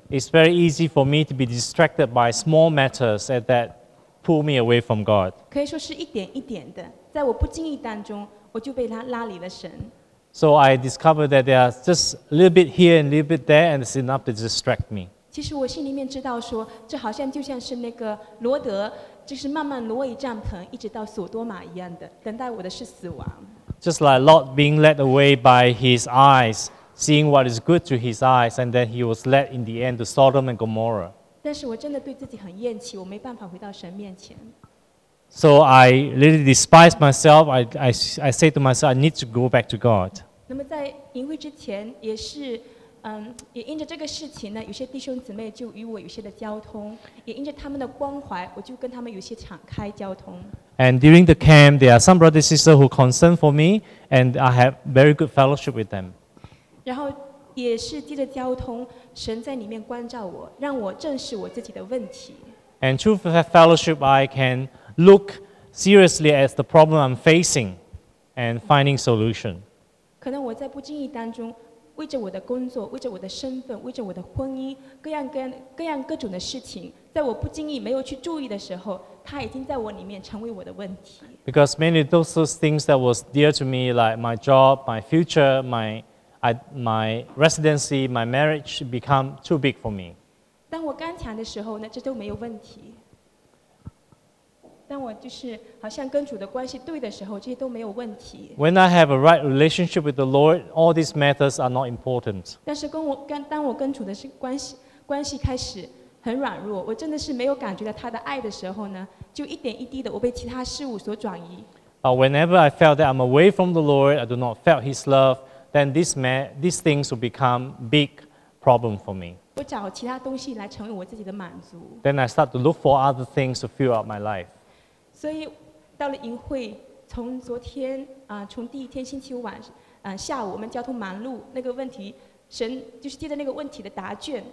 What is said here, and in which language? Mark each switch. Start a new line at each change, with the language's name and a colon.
English: It's very easy for me to be distracted by small matters that pull me away from God.
Chinese: 可以说是一点一点的，在我不经意当中，我就被他拉离了神。
English: So I discovered that there are just a little bit here and a little bit there, and it's enough to distract me.
Chinese: 其实我心里面知道说，这好像就像是那个罗德，就是慢慢挪移帐篷，一直到索多玛一样的，等待我的是死亡。
English: Just like Lot being led away by his eyes, seeing what is good to his eyes, and then he was led in the end to Sodom and Gomorrah.
Chinese: 但是我真的对自己很厌弃，我没办法回到神面前。
English: So I really despise myself. I say to myself, I need to go back to God.
Chinese: 那么在营会之前也是。也因着这个事情呢，有些弟兄姊妹就与我有些的交通，也因着他们的关怀，我就跟他们有些敞开交通。
English: And during the camp, there are some brothers and sisters who concern for me, and I have very good fellowship with them.
Chinese: 然后也是借着交通，神在里面关照我，让我正视我自己的问题。
English: And through fellowship, I can look seriously at the problem I'm facing, and finding solution.
Chinese: 可能我在不经意当中。为着我的工作，为着我的身份，为着我的婚姻，各样各种的事情，在我不经意没有去注意的时候，它已经在我里面成为我的问题。
English: Because many of those things that was dear to me, like my job, my future, my residency, my marriage, become too big for me.
Chinese: 当我刚强的时候呢，这都没有问题。当我就是好像跟主的关系对的时候，这些都没有问题。
English: When I have a right relationship with the Lord, all these matters are not important.
Chinese: 但是当我跟主的关系开始很软弱，我真的是没有感觉到他的爱的时候呢，就一点一滴的我被其他事物所转移。
English: Whenever I felt that I'm away from the Lord, I do not felt His love, then these things will become big problem for me.
Chinese: 我找其他东西来成为我自己的满足。
English: Then I start to look for other things to fill up my life.
Chinese: 所以到了营会，从昨天啊，从第一天星期五晚，下午我们交通忙碌，那个问题，神就是接着那个问题的答卷。